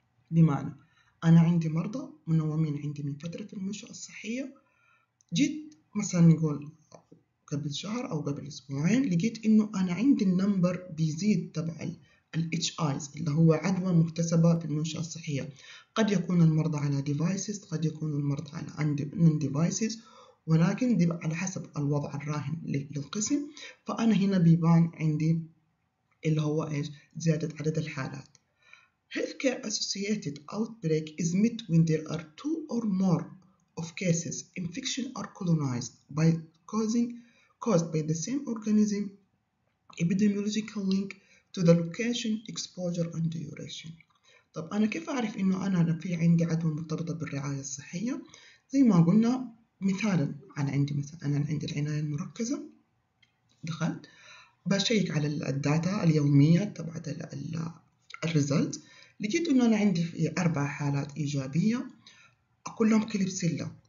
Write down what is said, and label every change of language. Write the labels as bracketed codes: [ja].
[ar] بمعنى أنا عندي مرضى منومين عندي من فترة المنشأة الصحية، جيت مثلا نقول قبل شهر أو قبل أسبوعين لقيت إنه أنا عندي النمبر بيزيد تبع الـ HIs اللي هو عدوى مكتسبة في المنشأة الصحية. قد يكون المرضى على devices، قد يكون المرضى على non-devices، ولكن دي على حسب الوضع الراهن للقسم. فأنا هنا بيبان عندي اللي هو إيش؟ زيادة عدد الحالات. [en] Healthcare associated outbreak is met when there are two or more of cases infection or colonized by caused by the same organism epidemiological link to the location, exposure and duration. [ar] طب أنا كيف أعرف إنه أنا في عندي عدوى مرتبطة بالرعاية الصحية؟ زي ما قلنا مثالاً، أنا عندي العناية المركزة، دخلت بشيك على الداتا اليومية تبعت الريزلت، لقيت إنه أنا عندي في 4 حالات إيجابية كلهم كليبسيلا.